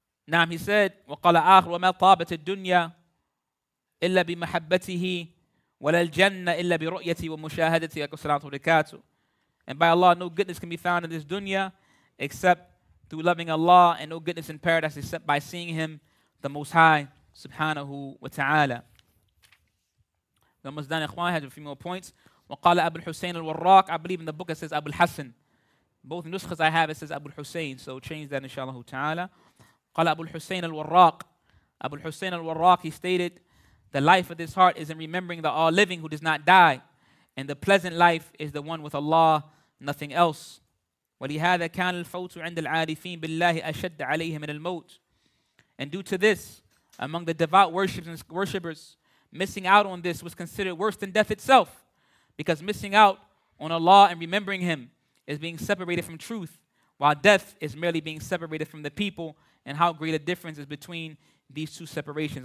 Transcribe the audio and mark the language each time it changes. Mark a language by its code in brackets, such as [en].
[en] Naam, he said, [ar] وَقَالَ آخر وَمَا طَابَتِ الدُّنْيَا إِلَّا بِمَحَبَّتِهِ وَلَا الْجَنَّةِ إِلَّا بِرُؤْيَتِهِ وَمُشَاهَدَتِهِ يَكُوْ سَلَامُ وَرِكَاتُ. [en] And by Allah, no goodness can be found in this dunya except through loving Allah, and no goodness in paradise except by seeing him, the Most High, subhanahu wa ta'ala. The Muzdan Ikhwan has a few more points. [ar] وَقَالَ أَبُ الْحُسَيْنِ الْوَرَّاقِ. [en] I believe in the book it says Abu al-Hassan. Both nuskhas I have, it says Abu al-Husayn. So change that, inshallah ta'ala. [ar] قال أبو الحسين الوراق. [en] أبو الحسين الوراق, he stated, the life of this heart is in remembering the all-living who does not die, and the pleasant life is the one with Allah, nothing else. [ar] ولهذا كان الفوت عند العارفين بالله أشد عليهم من الموت. [en] And due to this, among the devout worshippers, missing out on this was considered worse than death itself, because missing out on Allah and remembering him is being separated from truth, while death is merely being separated from the people. And how great a difference is between these two separations.